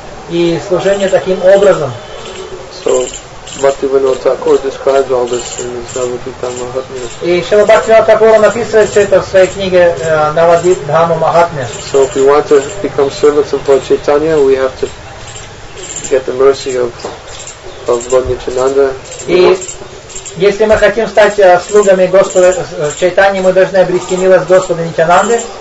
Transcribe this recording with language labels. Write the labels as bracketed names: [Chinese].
[Russian] И служение таким образом. [English] So, Bhaktivinoda Thakur describes all this in his Navadvipa Mahatmya. [Russian] И Шрила Бхактивинода Тхакур написывает все это в своей книге Навадвипа Дхамма Махатмья. [English] So, if we want to become servants of Lord Chaitanya, we have to get the mercy of Lord Nityananda. [Russian] Если мы хотим стать слугами Господа Чайтаньи, мы должны обрести милость Господа Нитянанды.